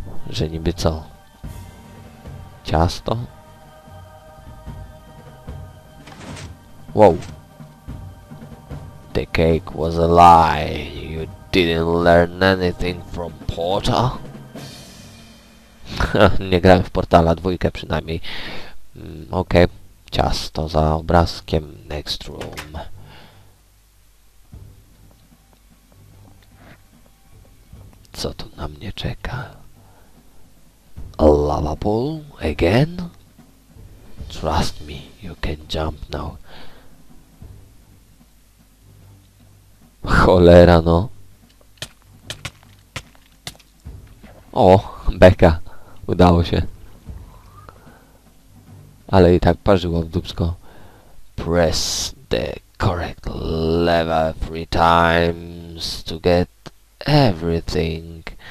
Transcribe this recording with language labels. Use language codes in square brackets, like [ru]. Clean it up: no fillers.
[pl] Że niby co? Ciasto? [en] Wow. The cake was a lie. You didn't learn anything from Portal. [pl] Nie grałem w Portala 2 przynajmniej. Okej. Okay. Ciasto za obrazkiem. [en] Next room. [pl] Co tu na mnie czeka? [en] Lava pool again? Trust me, you can jump now. [pl] Cholera, no. O, beka. Udało się. Ale i tak parzyło w dupsko. [en] Press the correct lever 3 times to get everything.